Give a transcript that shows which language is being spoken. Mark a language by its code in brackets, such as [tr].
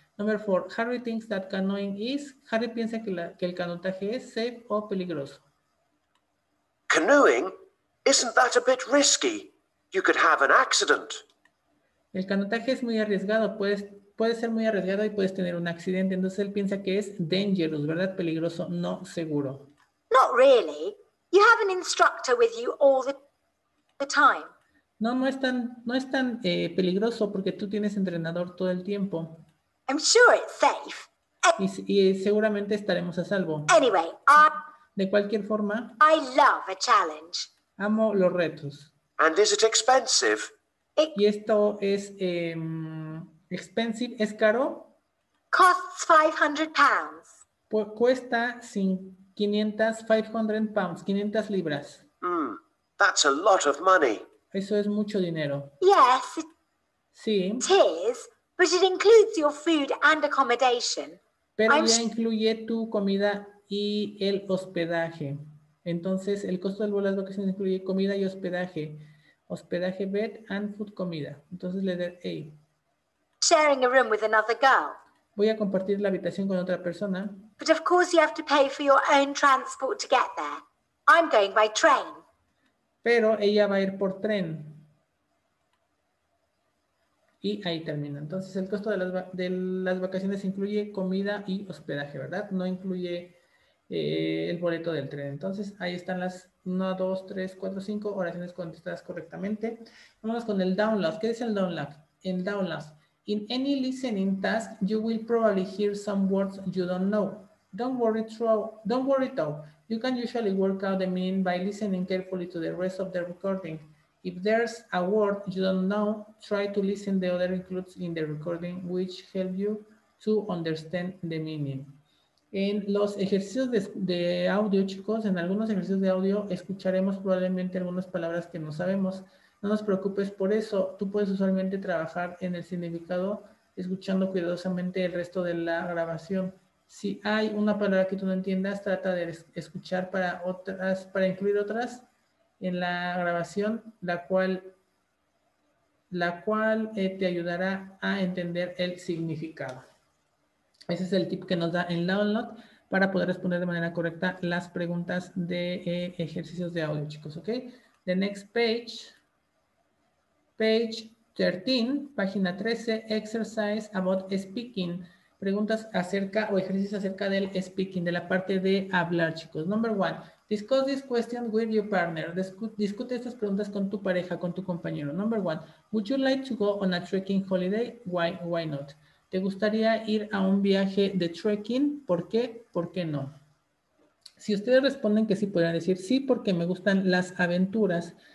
[en] Number four, Harry thinks that canoeing is, [es] Harry piensa que el canotaje es safe o peligroso. [en] Canoeing? Isn't that a bit risky? You could have an accident. [es] El canotaje es muy arriesgado, puede ser muy arriesgado y puedes tener un accidente, entonces él piensa que es dangerous, ¿verdad? Peligroso, no seguro. [en] Not really. You have an instructor with you all the time. [es] No, no es tan peligroso porque tú tienes entrenador todo el tiempo. [en] I'm sure it's safe. [es] Y seguramente estaremos a salvo. [en] Anyway, [es] De cualquier forma, [en] I love a challenge. [es] amo los retos. [en] And is it expensive? [es] Y esto es expensive, ¿es caro? [en] Costs £500. [es] Pues cuesta 500 pounds, 500 libras. [en] That's a lot of money. [es] Eso es mucho dinero. [en] Yes, [es] Sí. [en] it is, but it includes your food and accommodation. [es] Pero ya incluye tu comida y el hospedaje. Entonces, el costo del vuelo es lo que se incluye comida y hospedaje. Hospedaje, [en] bed and food, [es] comida. Entonces le doy A. [en] Sharing a room with another girl. [es] Voy a compartir la habitación con otra persona. [en] But of course you have to pay for your own transport to get there. I'm going by train. [es] Pero ella va a ir por tren. Y ahí termina. Entonces, el costo de las vacaciones incluye comida y hospedaje, ¿verdad? No incluye el boleto del tren. Entonces, ahí están las 1, 2, 3, 4, 5 oraciones contestadas correctamente. Vamos con el download. ¿Qué es el download? El download. [en] In any listening task, you will probably hear some words you don't know. Don't worry though. You can usually work out the meaning by listening carefully to the rest of the recording. If there's a word you don't know, try to listen the other clues in the recording, which help you to understand the meaning. [es] En los ejercicios de audio, chicos, en algunos ejercicios de audio, escucharemos probablemente algunas palabras que no sabemos. No nos preocupes por eso. Tú puedes usualmente trabajar en el significado escuchando cuidadosamente el resto de la grabación. Si hay una palabra que tú no entiendas, trata de escuchar para incluir otras en la grabación, la cual te ayudará a entender el significado. Ese es el tip que nos da el download para poder responder de manera correcta las preguntas de ejercicios de audio, chicos. [en] Ok. The next page. Page 13, [es] página 13, [en] exercise about speaking. [es] Preguntas acerca o ejercicios acerca del speaking, de la parte de hablar, chicos. [en] Number one, discuss this question with your partner. [es] Discute estas preguntas con tu pareja, con tu compañero. [en] Number one, would you like to go on a trekking holiday? Why not? [es] ¿Te gustaría ir a un viaje de trekking? ¿Por qué? ¿Por qué no? Si ustedes responden que sí, podrían decir sí porque me gustan las aventuras.